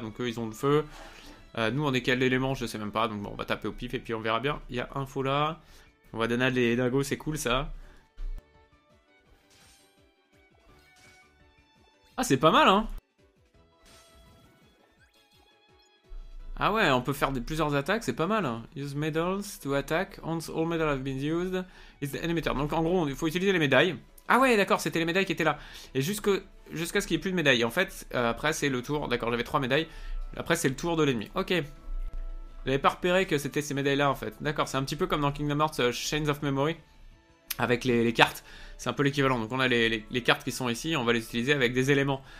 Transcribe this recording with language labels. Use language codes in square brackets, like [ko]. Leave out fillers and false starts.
[fr] Donc eux ils ont le feu, nous on est quel élément, je sais même pas, donc bon, on va taper au pif et puis on verra bien. Il y a info là, on va donner les dingos, c'est cool ça. Ah, c'est pas mal, hein. Ah ouais, on peut faire plusieurs attaques, c'est pas mal. [en] Hein. Use medals to attack. Once all medals have been used, it's the enemy turn. [fr] Donc en gros, il faut utiliser les médailles. Ah ouais, d'accord, c'était les médailles qui étaient là. Et jusqu'à ce qu'il n'y ait plus de médailles. En fait, après, c'est le tour. D'accord, j'avais 3 médailles. Après, c'est le tour de l'ennemi. Ok. J'avais pas repéré que c'était ces médailles-là, en fait. D'accord, c'est un petit peu comme dans Kingdom Hearts Chains of Memory. Avec les cartes, c'est un peu l'équivalent. Donc on a les cartes qui sont ici, on va les utiliser avec des éléments.